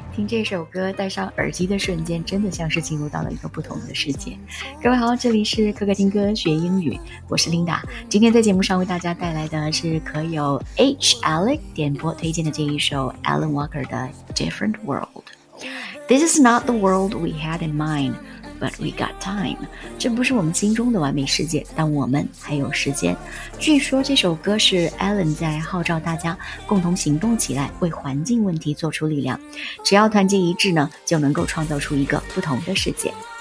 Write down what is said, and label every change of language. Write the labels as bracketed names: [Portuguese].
[Chinese] 这首歌，戴上耳机的瞬间真的像是进入到了一个不同的世界。各位好，这里是可可听歌学英语，我是 Linda。今天在节目上为大家带来的是可有 H. Alec 点播推荐的这一首 Alan Walker 的 Different World。 [English] This is not the world we had in mind, but we got time. [Chinese] 这不是我们心中的完美世界，但我们还有时间。据说这首歌是 Alan 在号召大家共同行动起来，为环境问题做出力量。只要团结一致呢，就能够创造出一个不同的世界。